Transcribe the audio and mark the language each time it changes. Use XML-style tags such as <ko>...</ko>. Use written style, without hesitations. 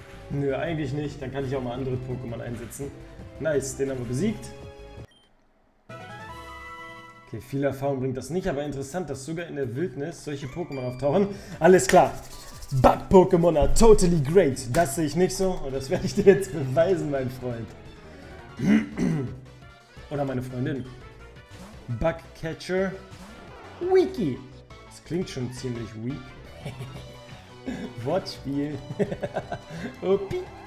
<de>Nö, eigentlich nicht. Dann kann ich auch mal andere Pokémon einsetzen. Nice, den haben wir besiegt. Okay, viel Erfahrung bringt das nicht, aber interessant, dass sogar in der Wildnis solche Pokémon auftauchen. Alles klar.</de> <en>Bug-Pokémon are totally great.</en> <de>Das sehe ich nicht so und das werde ich dir jetzt beweisen, mein Freund. Oder meine Freundin. Bug-Catcher. Weaky. Das klingt schon ziemlich weak. Wortspiel. Opi.</de>